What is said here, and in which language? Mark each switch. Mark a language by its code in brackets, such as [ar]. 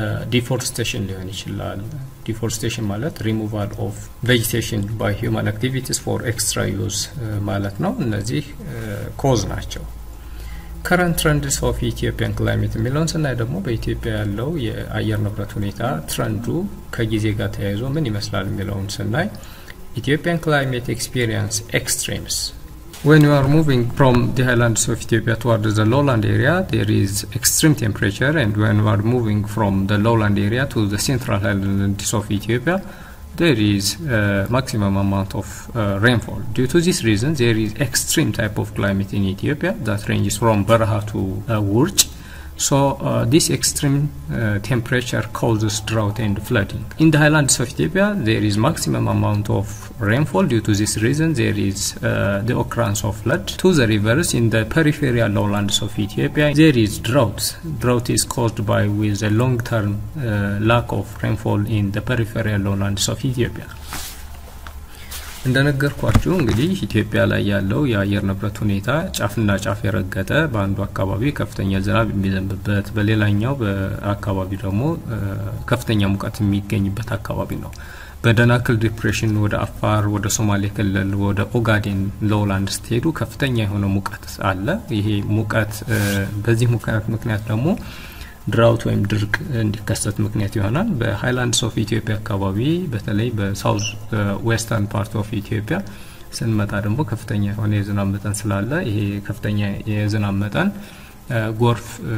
[am] ዲፎረስቴሽን ሊሆን ይችላል። ዲፎረስቴሽን ማለት ሪሙቫል ኦፍ ቬጂቴሽን ባይ ሂዩማን አክቲቪቲስ ፎር ኤክስትራ ዩዝ ማለት ነው። እነዚህ ኮዝ ናቸው። ከረንት ትረንድስ ኦፍ ኢትዮጵያን ክላይሜት የሚለውን ስናይ ደግሞ በኢትዮጵያ ያለው የአየር ንብረት ሁኔታ ትረንዱ ከጊዜ ጋር ተያይዞ ምን ይመስላል የሚለውን ስናይ ኢትዮጵያን ክላይሜት ኤክስፒሪየንስ ኤክስትሪምስ [en] When you are moving from the highlands of Ethiopia towards the lowland area, there is extreme temperature. And when you are moving from the lowland area to the central highlands of Ethiopia, there is maximum amount of rainfall. Due to this reason, there is extreme type of climate in Ethiopia that ranges from Baraha to Wurj. So this extreme temperature causes drought and flooding. In the highlands of Ethiopia, there is maximum amount of rainfall. Due to this reason, there is the occurrence of flood. To the reverse, in the peripheral lowlands of Ethiopia, there is drought. Drought is caused by with a long-term lack of rainfall in the peripheral lowlands of Ethiopia. [am] እንደነገርኳችሁ እንግዲህ ኢትዮጵያ ላይ ያለው የአየር ንብረት ሁኔታ ጫፍና ጫፍ የረገጠ በአንዱ አካባቢ ከፍተኛ ዝናብ የሚዘንብበት በሌላኛው በአካባቢ ደግሞ ከፍተኛ ሙቀት የሚገኝበት አካባቢ ነው። በደናክል ዲፕሬሽን ወደ አፋር ወደ ሶማሌ ክልል ወደ ኦጋዴን ሎውላንድ ስቴቱ ከፍተኛ የሆነ ሙቀት አለ። ይሄ ሙቀት በዚህ ሙቀት ምክንያት ደግሞ ድራውት ወይም ድርቅ እንዲከሰት ምክንያት ይሆናል። በሃይላንድስ ኦፍ ኢትዮጵያ አካባቢ በተለይ በሳውዝ ዌስተርን ፓርት ኦፍ ኢትዮጵያ ስንመጣ ደግሞ ከፍተኛ የሆነ የዝናብ መጠን ስላለ ይሄ ከፍተኛ የዝናብ መጠን ጎርፍ